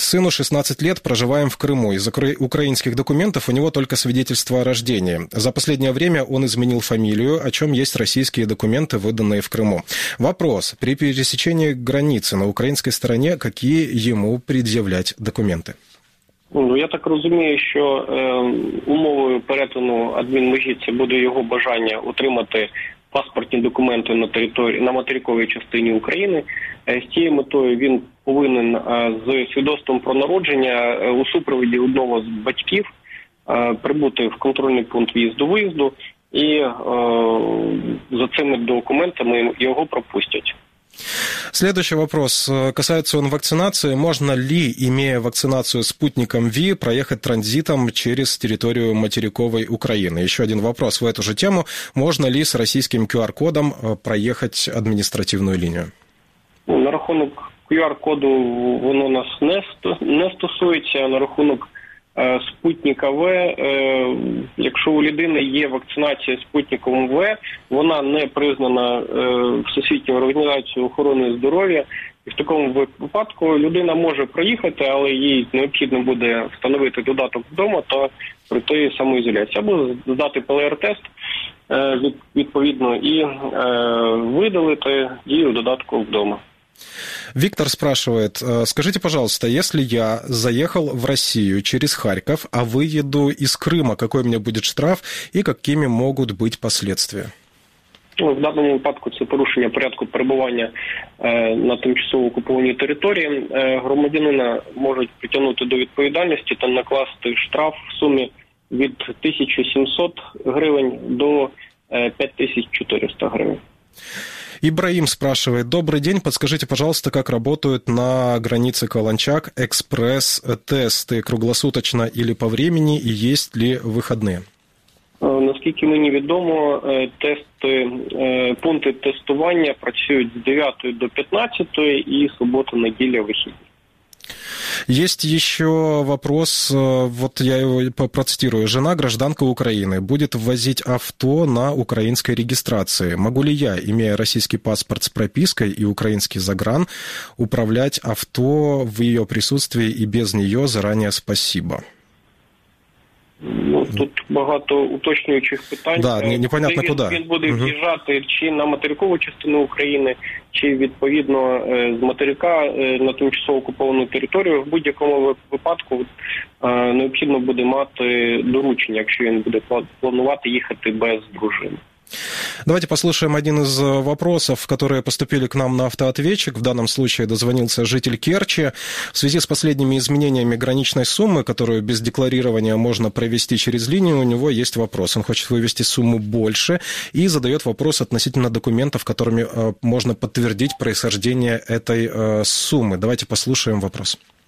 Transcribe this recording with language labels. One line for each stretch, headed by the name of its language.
Russian: Сыну 16 лет, проживаем в Крыму. Из украинских документов у него только свидетельство о рождении. За последнее время он изменил фамилию, о чем есть российские документы, выданные в Крыму. Вопрос. При пересечении границы на украинской стороне какие ему предъявлять документы?
Ukrainian: Ну, я так розумію, що умовою перетину адмінмежі це буде його бажання отримати паспортні документи на території на материковій частині України. З цією метою він повинен з свідоцтвом про народження у супроводі одного з батьків прибути в контрольний пункт в'їзду-виїзду, і за цими документами його пропустять.
Russian: Следующий вопрос. Касается он вакцинации. Можно ли, имея вакцинацию спутником ВИ, проехать транзитом через территорию материковой Украины? Еще один вопрос в эту же тему. Можно ли с российским QR-кодом проехать административную линию?
Ukrainian: На рахунок QR-коду воно нас не стосується. На рахунок спутника В, якщо у людини є вакцинація спутником В, вона не признана Всесвітньою організацією охорони здоров'я. І в такому випадку людина може проїхати, але їй необхідно буде встановити додаток вдома та пройти самоізоляцію. Або здати ПЛР-тест відповідно і видалити дію додатку вдома.
Russian: Виктор спрашивает, скажите, пожалуйста, если я заехал в Россию через Харьков, а выеду из Крыма, какой мне будет штраф и какими могут быть последствия? Ну, в данном случае это порушение порядка пребывания
Ukrainian: на тимчасово окупованій території. Громадянина можуть притягнути до відповідальності та накласти штраф в сумі від 1700 гривень до 5400 гривень.
Russian: Ибраим спрашивает. Добрый день, подскажите, пожалуйста, как работают на границе Каланчак экспресс-тесты круглосуточно или по времени, и есть ли выходные?
Ukrainian: Наскільки мені відомо, тести, пункти тестування працюють з 9 до 15 і субота, неділя, вихідні.
Russian: Есть еще вопрос, вот я его процитирую. Жена гражданка Украины будет ввозить авто на украинской регистрации. Могу ли я, имея российский паспорт с пропиской и украинский загран, управлять авто в ее присутствии и без нее? Заранее спасибо.
Ukrainian: Ну, тут багато уточнюючих питань.
Russian: Да, непонятно куда.
Ukrainian: Він буде в'їжджати чи на материкову частину України, чи відповідно з материка на тимчасово окуповану територію. В будь-якому випадку необхідно буде мати доручення, якщо він буде планувати їхати без дружини.
Russian: Давайте послушаем один из вопросов, которые поступили к нам на автоответчик. В данном случае дозвонился житель Керчи. В связи с последними изменениями граничной суммы, которую без декларирования можно провести через линию, у него есть вопрос. Он хочет вывести сумму больше и задает вопрос относительно документов, которыми можно подтвердить происхождение этой суммы. Давайте послушаем вопрос.